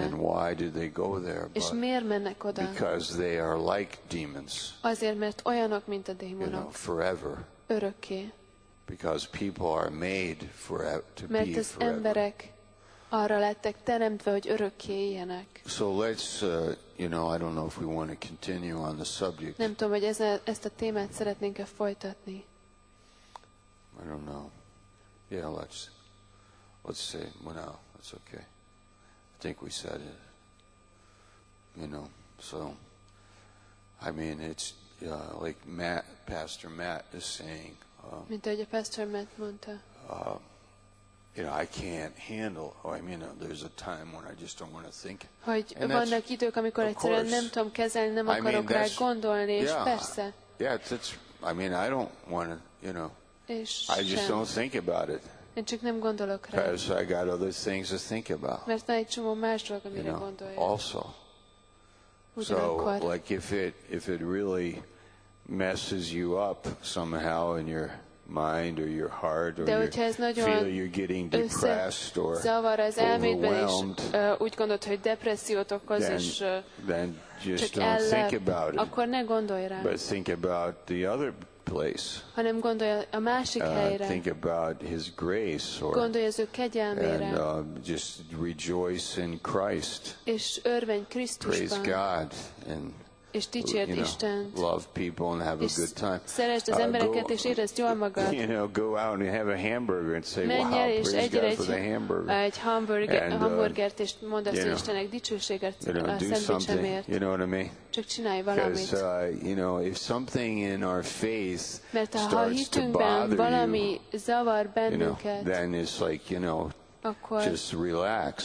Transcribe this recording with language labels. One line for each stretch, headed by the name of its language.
English: And why do they go there?
Hungarian: És miért mennek oda?
English: Because they are like demons.
Hungarian: Azért, mert olyanok, mint a démonok.
English: You know, forever.
Hungarian: Örökké.
English: Because people are made for, to
Hungarian: mert
English: be forever.
Hungarian: Mert az emberek arra lettek teremtve, hogy örökké éljenek.
English: So let's, I don't know if we want to continue on the subject.
Hungarian: Nem tudom, hogy ezt a témát szeretnénk-e folytatni.
English: I don't know. Yeah, let's say, well, no, that's okay. I think we said it. You know, so, I mean, it's, like Matt, Pastor Matt is saying,
Hungarian: mint ahogy a Pastor Matt mondta,
English: I can't handle, there's a time when I just don't want to think.
Hungarian: Hogy vannak idők, amikor egyszerűen nem tudom kezelni, nem akarok rá gondolni, és persze.
English: I don't want to, I just don't think about it.
Hungarian: Én csak nem gondolok rá.
English: Because I got other things to think about.
Hungarian: Mert egy csomó más dolog, amire gondoljak.
English: Also. So, like if it really messes you up somehow in your mind or your heart or you feel you're getting depressed or overwhelmed,
Hungarian: úgy gondolt, hogy depressziót okoz,
English: then just don't think about it.
Hungarian: Akkor ne gondolj rá.
English: But think about the other place.
Hungarian: Hanem gondolj a másik helyre.
English: Think about his grace or
Hungarian: gondolj az ő kegyelmére.
English: And just rejoice in Christ.
Hungarian: És örvendj Krisztusban.
English: Praise God and
Hungarian: és dicsérd Istent.
English: Love people and have a good time.
Hungarian: Szeresd az embereket, és érezd jól magad.
English: Go out and have a hamburger and say, wow, praise God for the hamburger.
Hungarian: Egy hamburgert, és mondd azt, hogy Istennek dicsőséget a szendvicsemért.
English: You know what I mean?
Hungarian: Csak csinálj valamit.
English: Because, if something in our faith starts to bother you,
Hungarian: valami zavar bennünket,
English: then it's like, just relax.